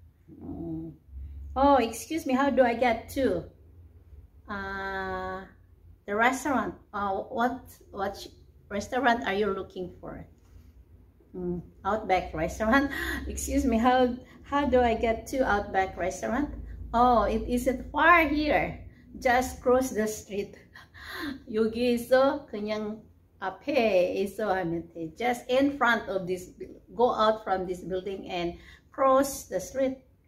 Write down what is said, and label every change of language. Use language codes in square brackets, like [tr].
[en] Okay. Oh, excuse me, how do I get to the restaurant? What restaurant are you looking for? Outback restaurant. Excuse me, how do I get to Outback restaurant? Oh, it isn't far here. Just cross the street. [ko] 여기 있어 그냥 앞에 있어 하면 돼. [en] Just in front of this, go out from this building and cross the street.